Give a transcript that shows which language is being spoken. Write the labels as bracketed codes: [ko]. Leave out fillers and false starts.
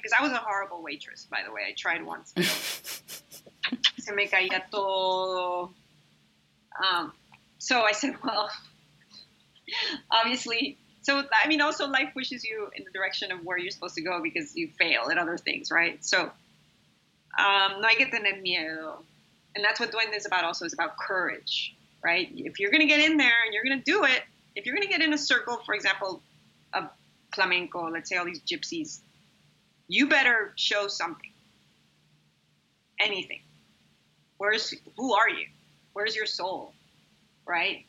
[en] Because I was a horrible waitress, by the way. I tried once. [es] Se me caía todo. [en] So I said, well, obviously. So, I mean, also life pushes you in the direction of where you're supposed to go because you fail at other things, right? [es] So, no hay que tener miedo. [en] And that's what Duende is about also, is about courage, right? If you're going to get in there and you're going to do it, if you're going to get in a circle, for example, of flamenco, let's say all these gypsies, you better show something, anything. Who are you? Where's your soul, right?